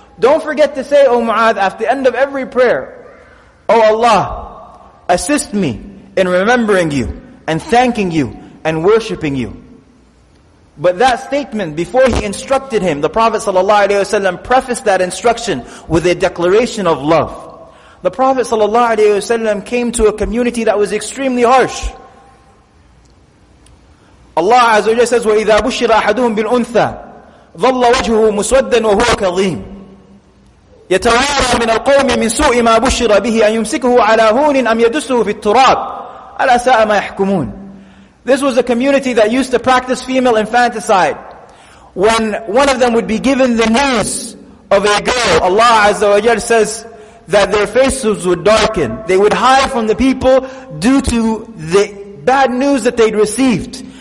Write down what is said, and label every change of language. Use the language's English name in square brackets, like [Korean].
[English] Don't forget to say, Oh Mu'adh, at the end of every prayer, Oh Allah, assist me in remembering you and thanking you and worshipping you. But that statement, before he instructed him, the Prophet sallallahu alaihi wasallam prefaced that instruction with a declaration of love. The Prophet sallallahu alaihi wasallam came to a community that was extremely harsh. [Arabic] Allah azza wa jalla says, وَإِذَا بُشِّرَ أَحَدُهُمْ بِالْأُنْثَى ظَلَّ وَجْهُهُ مُسْوَدًّا وَهُوَ كَظِيمٌ يَتَوَارَى مِنَ الْقَوْمِ مِنْ سُوءِ مَا بُشِّرَ بِهِ أَنْ يُمْسِكُهُ عَلَى هُونٍ أَمْ يَدُسُّهُ فِي التُّرَابِ أَلَا سَاءَ مَا يَحْكُمُونَ. [English] This was a community that used to practice female infanticide. When one of them would be given the news of a girl, Allah Azza wa Jalla says that their faces would darken. They would hide from the people due to the bad news that they'd received.